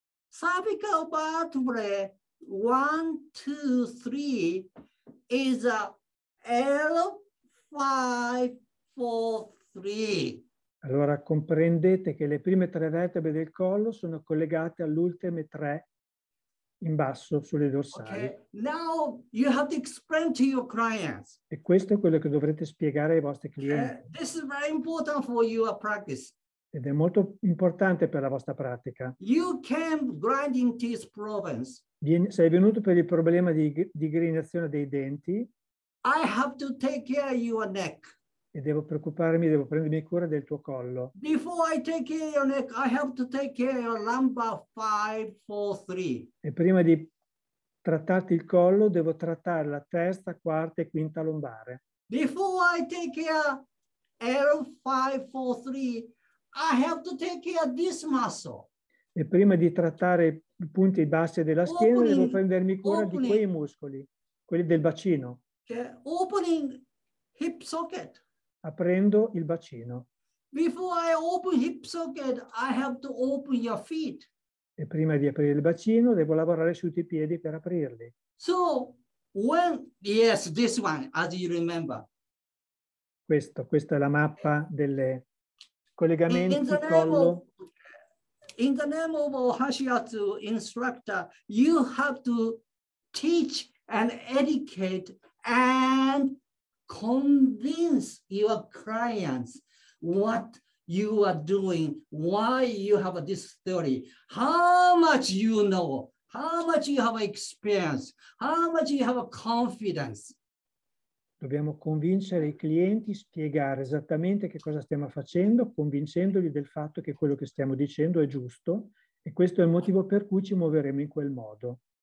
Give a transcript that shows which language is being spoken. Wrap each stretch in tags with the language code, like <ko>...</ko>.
<en>Cervical vertebrae 1, 2, 3 is a L5-4-3.</en> <it>Allora comprendete che le prime tre vertebre del collo sono collegate all'ultime tre in basso sulle dorsali.</it> <en>Okay. Now you have to explain to your clients.</en> <it>E questo è quello che dovrete spiegare ai vostri clienti.</it> <en>This is very important for your practice.</en> <it>Ed è molto importante per la vostra pratica.</it> <en>You came grinding teeth problems.</en> <it>Sei venuto per il problema di digrignazione dei denti.</it> <en>I have to take care of your neck.</en> <it>E devo preoccuparmi, devo prendermi cura del tuo collo.</it> <en>Before I take care of your neck, I have to take care of your lumbar 5-4-3.</en> <it>E prima di trattarti il collo, devo trattare la terza, quarta e quinta lombare.</it> <en>Before I take care of L5-4-3, I have to take care of this muscle.</en> <it>E prima di trattare i punti bassi della schiena, opening, devo prendermi cura opening. Di quei muscoli, quelli del bacino.</it> <en>Opening hip socket.</en> <it>Aprendo il bacino.</it> <en>Before I open hip socket, I have to open your feet.</en> <it>E prima di aprire il bacino, devo lavorare sui tuoi piedi per aprirli.</it> <en>So, when, yes, this one, as you remember.</en> <it>Questa è la mappa delle collegamenti in collo.</it> <en>In the name of Ohashiatsu instructor, you have to teach and educate. can convince your clients what you are doing, why you have this theory, how much you know, how much you have experience, how much you have confidence.</en> <it>Dobbiamo convincere i clienti, spiegare esattamente che cosa stiamo facendo, convincendoli del fatto che quello che stiamo dicendo è giusto, e questo è il motivo per cui ci muoveremo in quel modo.</it>